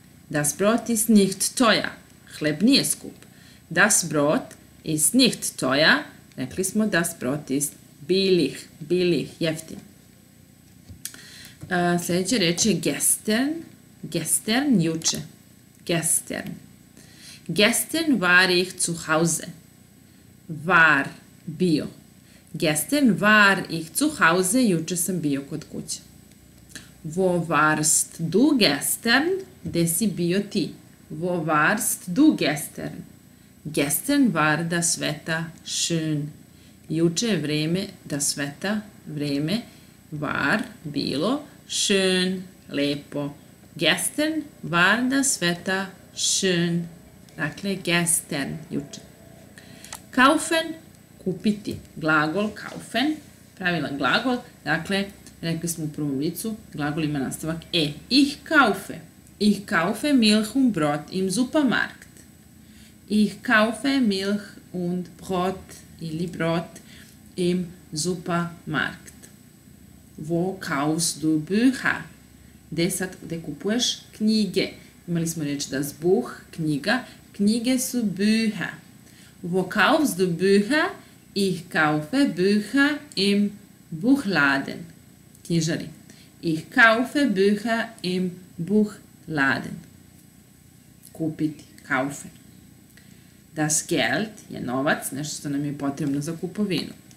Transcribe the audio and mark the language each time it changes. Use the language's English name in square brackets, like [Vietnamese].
[German] Das Brot ist nicht teuer. [Serbian] Hleb nije skup. [German] Das Brot ist nicht teuer. [Serbian] Rekli smo [German] das Brot ist billig. Billig. [Serbian] Jeftin. Sljedeća reč je gestern. Gestern, juče. Gestern. [German] Gestern war ich zu Hause. War, bio. Gestern war ich zu Hause, [Serbian] juče sam bio kod kuće. [German] Wo warst du gestern? [Serbian] Gde si bio ti? [German] Wo warst du gestern? Gestern war das Wetter schön. [Serbian] Juče je vreme, [German] das Wetter, vreme, war, bilo, schön, lepo. Gestern war das Wetter schön. [Serbian] Dakle, gestern, juče. Kaufen, kupiti. Glagol kaufen, pravilan glagol. Dakle, rekli smo u prvom licu, glagol ima nastavak e. [German] Ich kaufe. Ich kaufe Milch und Brot im Supermarkt. Ich kaufe Milch und Brot ili Brot im Supermarkt. Wo kaufst du Bücher? [Serbian] Gde sad, gde kupuješ knjige? Imali smo reč das Buch, knjiga. Knjige su Bücher. [German] Wo kaufst du Bücher? Ich kaufe Bücher im Buchladen. Knjižari. Ich kaufe Bücher im Buchladen. [Serbian] Kupiti. Kaufe. Das Geld je novac, nešto što nam je potrebno za kupovinu.